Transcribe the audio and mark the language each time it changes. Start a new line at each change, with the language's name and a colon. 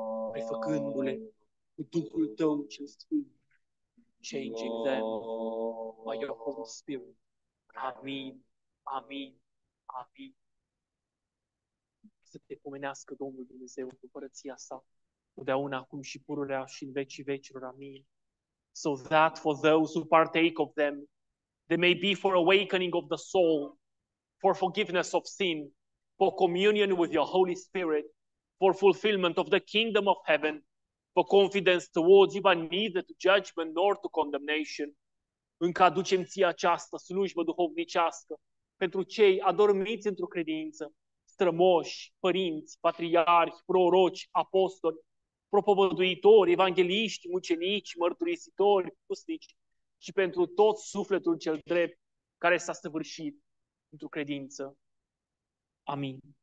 Romanian: Prefăcându-le cu Duhul tău cel sfânt,
English: changing them by your Holy Spirit,
Romanian: Amin. Amin. Amin. Să te pomenească Domnul Dumnezeu în împărăția sa, totdeauna, acum și pururea și în vecii vecilor. Amin.
English: So that for those who partake of them, they may be for awakening of the soul, for forgiveness of sin, for communion with your Holy Spirit, for fulfillment of the kingdom of heaven, for confidence towards you, but neither to judgment nor to condemnation.
Romanian: Încă aducem ție această slujbă duhovnicească pentru cei adormiți într-o credință, strămoși, părinți, patriarhi, proroci, apostoli, propovăduitori, evangheliști, mucenici, mărturisitori, pustici și pentru tot sufletul cel drept care s-a săvârșit într-o credință. Amin.